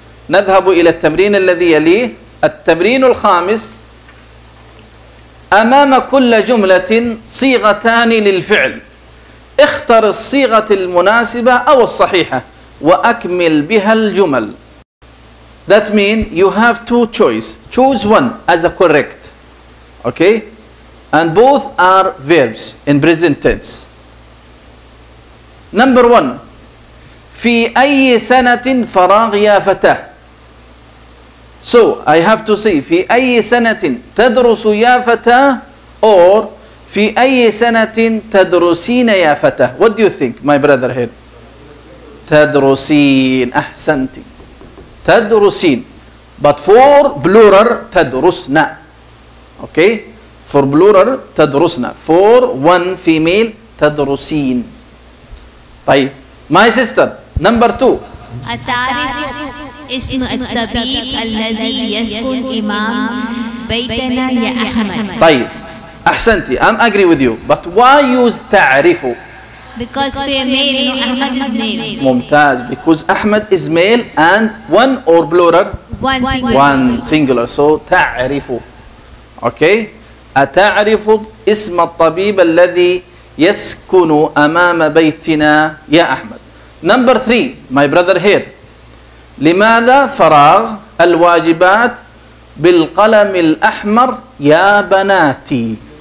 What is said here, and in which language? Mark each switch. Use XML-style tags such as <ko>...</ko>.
<ar>نذهب إلى التمرين الذي يليه. التمرين الخامس. أمام كل جملة صيغتان للفعل. اختر الصيغة المناسبة أو الصحيحة وأكمل بها الجمل.</ar> <en>That means you have two choice. Choose one as a correct. Okay? And both are verbs in present tense. Number one,</en> <ar>في أي سنة فراغ يا فتاة.</ar> <en>So I have to say,</en> <ar>في أي سنة تدرس يا فتاة or في أي سنة تدرسين يا فتاة.</ar> <en>What do you think, my brother here? تدرسين. أحسنت. تدرسين. But for plural, تدرسنا. Okay. For plural, تدرسنا. For one female, تدرسين. طيب. My sister, number two.</en> <ar>التعريف اسم الطبيب الذي يسكن إمام بيتنا يا أحمد. طيب. أحسنتي.</ar> <en>I'm agree with you. But why use تعريفه? Because for male, Ahmed is male. ممتاز. Because Ahmed is male and one or plural? One singular. So, تعريفه. Okay.</en> <ar>أتعرف اسم الطبيب الذي يسكن أمام بيتنا يا أحمد.</ar> <en>Number three, my brother here.</en> <ar>لماذا فراغ الواجبات بالقلم الأحمر يا بناتي.</ar>